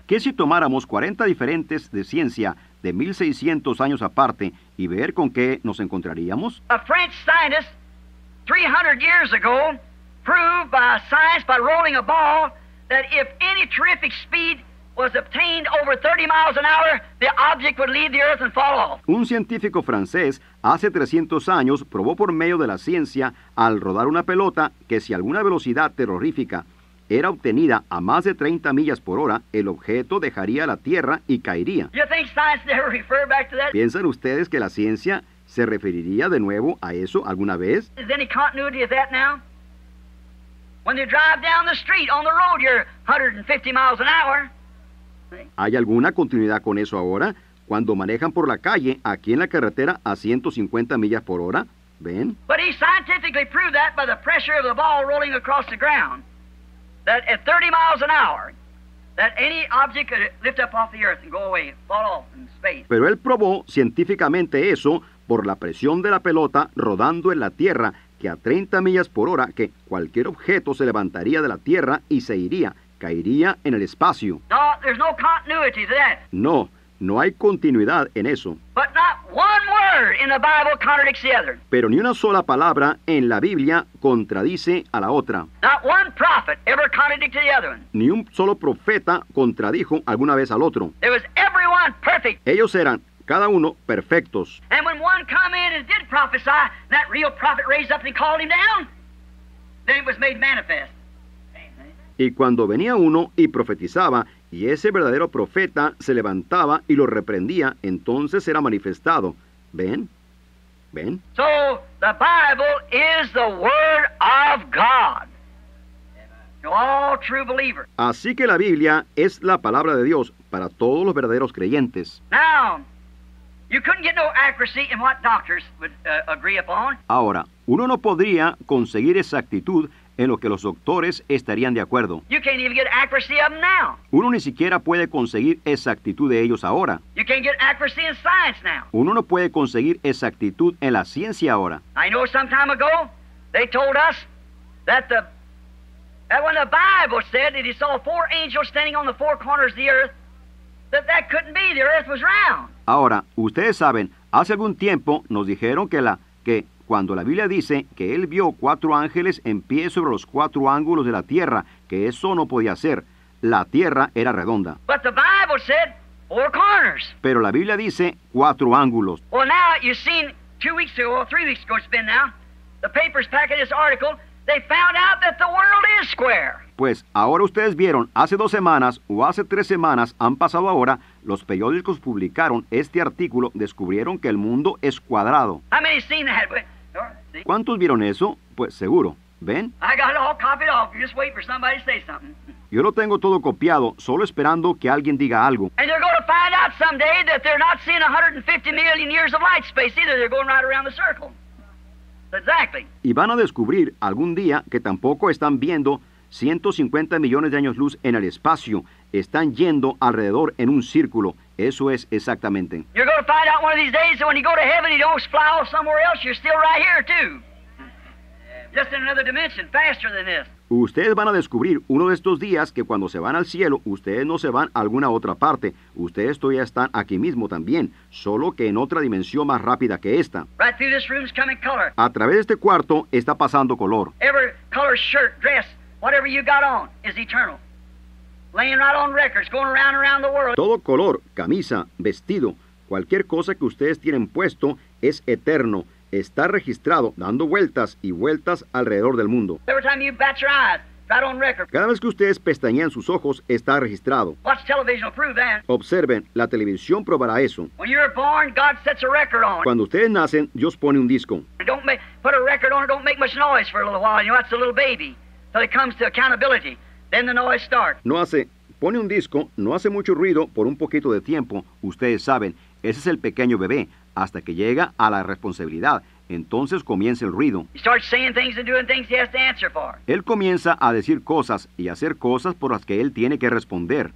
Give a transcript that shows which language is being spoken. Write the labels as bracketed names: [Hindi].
[Spanish] ¿Qué si tomáramos 40 diferentes de ciencia de 1600 años aparte y ver con qué nos encontraríamos? [English] A French scientist 300 years ago proved by science, by rolling a ball, that if any terrific speed was obtained over 30 miles an hour, the object would leave the earth and fall off. [Spanish] Un científico francés hace 300 años probó por medio de la ciencia al rodar una pelota que si alguna velocidad terrorífica era obtenida a más de 30 millas por hora, el objeto dejaría la tierra y caería. [English] You think science never referred back to that? [Spanish] ¿Piensan ustedes que la ciencia se referiría de nuevo a eso alguna vez? [English] Is any continuity of that now? When you drive down the street on the road, you're 150 miles an hour. [Spanish] ¿Hay alguna continuidad con eso ahora? Cuando manejan por la calle, aquí en la carretera, a 150 millas por hora, ¿ven? [English] But he scientifically proved that by the pressure of the ball rolling across the ground, that at 30 miles an hour, that any object could lift up off the earth and go away, fall off in space. [Spanish] Pero él probó científicamente eso por la presión de la pelota rodando en la tierra, que a 30 millas por hora, que cualquier objeto se levantaría de la tierra y se iría, caería en el espacio. [English] No, there's no continuity to that. [Spanish] No, no hay continuidad en eso. [English] But not one word in the Bible contradicts the other. [Spanish] Pero ni una sola palabra en la Biblia contradice a la otra. [English] Not one prophet ever contradicted the other one. [Spanish] Ni un solo profeta contradijo alguna vez al otro. [English] There was everyone perfect. [Spanish] Ellos eran cada uno perfectos. [English] And when one come in and did prophesy, that real prophet raised up and called him down, then it was made manifest. [Spanish] Y cuando venía uno y profetizaba, y ese verdadero profeta se levantaba y lo reprendía, entonces era manifestado. ¿Ven? ¿Ven? [English] So, the Bible is the Word of God. All true believers. [Spanish] Así que la Biblia es la palabra de Dios para todos los verdaderos creyentes. [English] Now, you couldn't get no accuracy in what doctors would agree upon. [Spanish] Ahora, uno no podría conseguir exactitud en lo que los doctores estarían de acuerdo. [English] You can't even get accuracy of them now. [Spanish] Uno ni siquiera puede conseguir exactitud de ellos ahora. [English] You can't get accuracy in science now. [Spanish] Uno no puede conseguir exactitud en la ciencia ahora. [English] I know some time ago, they told us that when the Bible said that he saw four angels standing on the four corners of the earth, that couldn't be, the earth was round. [Spanish] Ahora, ustedes saben, hace algún tiempo nos dijeron que cuando la Biblia dice que él vio cuatro ángeles en pie sobre los cuatro ángulos de la tierra, que eso no podía ser. La tierra era redonda. [English] But the Bible said four corners. [Spanish] Pero la Biblia dice cuatro ángulos. [English] Well, now you've seen 2 weeks ago, or 3 weeks ago it's been now, the papers packing this article, they found out that the world is square. [Spanish] Pues ahora ustedes vieron, hace 2 semanas o hace 3 semanas, han pasado ahora, los periódicos publicaron este artículo, descubrieron que el mundo es cuadrado. [English] How many seen that? [Spanish] ¿Cuántos vieron eso? Pues seguro. ¿Ven? [English] I got it all copied off. Just wait for somebody to say something. [Spanish] Yo lo tengo todo copiado, solo esperando que alguien diga algo. [English] And they're going to find out someday that they're not seeing 150 million years of light space either. They're going right around the circle. Exactly. [Spanish] Y van a descubrir algún día que tampoco están viendo 150 millones de años luz en el espacio están yendo alrededor en un círculo. Eso es exactamente. [English] You're going to find out one of these days that when you go to heaven, you don't fly off somewhere else. You're still right here too. Just in another dimension, faster than this. [Spanish] Ustedes van a descubrir uno de estos días que cuando se van al cielo, ustedes no se van a alguna otra parte. Ustedes todavía están aquí mismo también, solo que en otra dimensión más rápida que esta. [English] Right through this room's coming color. [Spanish] A través de este cuarto está pasando color. [English] Every color shirt, dress, whatever you got on is eternal. Laying right on records, going around and around the world. [Spanish] Todo color, camisa, vestido, cualquier cosa que ustedes tienen puesto es eterno. Está registrado dando vueltas y vueltas alrededor del mundo. [English] Every time you bat your eyes, right on record. [Spanish] Cada vez que ustedes pestañean sus ojos, está registrado. [English] Watch television, prove that. [Spanish] Observen, la televisión probará eso. [English] When you're born, God sets a record on. [Spanish] Cuando ustedes nacen, Dios pone un disco. [English] Don't put a record on, don't make much noise for a little while. You know, that's a little baby. Till it comes to accountability. Then the noise starts. [Spanish] No hace, pone un disco, no hace mucho ruido por un poquito de tiempo. Ustedes saben, ese es el pequeño bebé. Hasta que llega a la responsabilidad, entonces comienza el ruido. [English] He starts saying things and doing things he has to answer for. [Spanish] Él comienza a decir cosas y hacer cosas por las que él tiene que responder.